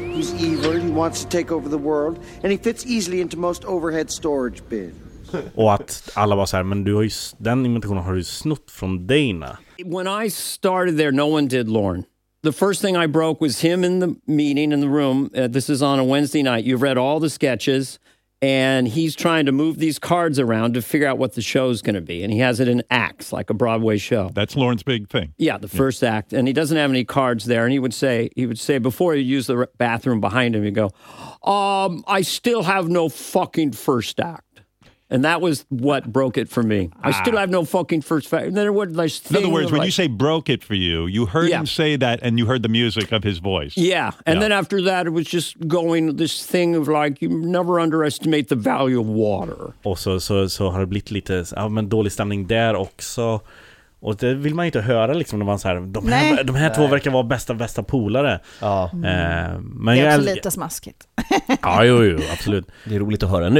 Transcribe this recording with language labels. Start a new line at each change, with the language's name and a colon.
English: He's evil, he wants to take over the world, and he fits easily into most overhead storage bins.
Swedish: Och att alla bara så här, men du har ju, den imitationen har du snott från Dana.
English: When I started there, no one did Lorne. The first thing I broke was him in the meeting in the room. This is on a Wednesday night. You've read all the sketches, and he's trying to move these cards around to figure out what the show's going to be. And he has it in acts, like a Broadway show. That's Lorne's big thing. Yeah, the first act. And he doesn't have any cards there. And he would say before he used the bathroom behind him, he'd go, I still have no fucking first act. And that was what broke it for me. I still have no fucking first act. And then it would, like, in other words, when you say broke it for you, you heard him say that and you heard the music of his voice. Yeah. And then after that, it was just going this thing of like, you never underestimate the value of water.
Swedish: Och så har det blivit lite, ja, men dålig stämning där också. Och det vill man inte höra liksom, när man så här, de här två verkar vara bästa polare. Ja. Men det är också lite smaskigt. Ja, jo, absolut. Det är roligt att höra nu.